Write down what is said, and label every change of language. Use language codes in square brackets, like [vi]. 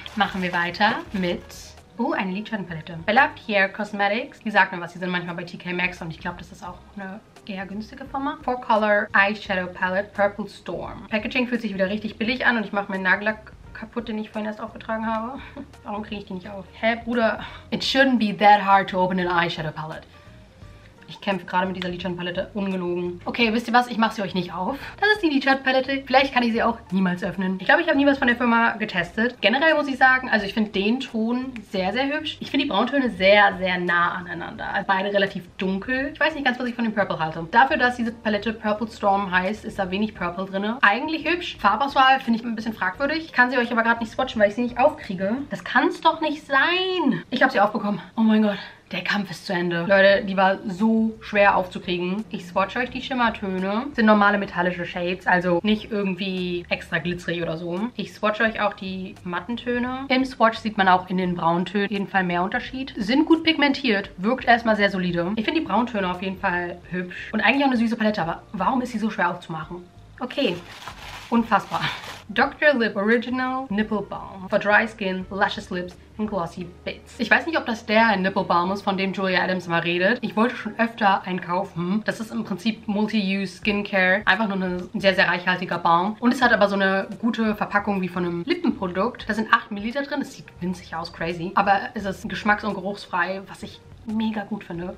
[de] Machen wir weiter mit... Oh, eine Lidschattenpalette. Bella Pierre Cosmetics. Die sagt mir was. Die sind manchmal bei TK Maxx und ich glaube, das ist auch eine eher günstige Firma. 4-Color Eyeshadow Palette Purple Storm. Packaging fühlt sich wieder richtig billig an und ich mache meinen Nagellack kaputt, den ich vorhin erst aufgetragen habe. Warum kriege ich die nicht auf? Hä, Bruder? [en] It shouldn't be that hard to open an eyeshadow palette. [de] Ich kämpfe gerade mit dieser Lidschattenpalette, ungelogen. Okay, wisst ihr was? Ich mache sie euch nicht auf. Das ist die Lidschattenpalette. Vielleicht kann ich sie auch niemals öffnen. Ich glaube, ich habe nie was von der Firma getestet. Generell muss ich sagen, also ich finde den Ton sehr, sehr hübsch. Ich finde die Brauntöne sehr, sehr nah aneinander. Also beide relativ dunkel. Ich weiß nicht ganz, was ich von dem Purple halte. Dafür, dass diese Palette Purple Storm heißt, ist da wenig Purple drin. Eigentlich hübsch. Farbauswahl finde ich ein bisschen fragwürdig. Ich kann sie euch aber gerade nicht swatchen, weil ich sie nicht aufkriege. Das kann es doch nicht sein. Ich habe sie aufbekommen. Oh mein Gott. Der Kampf ist zu Ende. Leute, die war so schwer aufzukriegen. Ich swatche euch die Schimmertöne. Sind normale metallische Shades, also nicht irgendwie extra glitzerig oder so. Ich swatche euch auch die matten Töne. Im Swatch sieht man auch in den Brauntönen jeden Fall mehr Unterschied. Sind gut pigmentiert, wirkt erstmal sehr solide. Ich finde die Brauntöne auf jeden Fall hübsch. Und eigentlich auch eine süße Palette, aber warum ist sie so schwer aufzumachen? Okay, unfassbar. Dr. [en] Lip Original Nipple Balm for Dry Skin, Luscious Lips and Glossy Bits. [de] Ich weiß nicht, ob das der Nipple Balm ist, von dem Julia Adams mal redet. Ich wollte schon öfter einen kaufen. Das ist im Prinzip Multi-Use Skincare. Einfach nur ein sehr, sehr reichhaltiger Balm. Und es hat aber so eine gute Verpackung wie von einem Lippenprodukt. Da sind 8 Milliliter drin. Es sieht winzig aus, crazy. Aber es ist geschmacks- und geruchsfrei, was ich mega gut finde.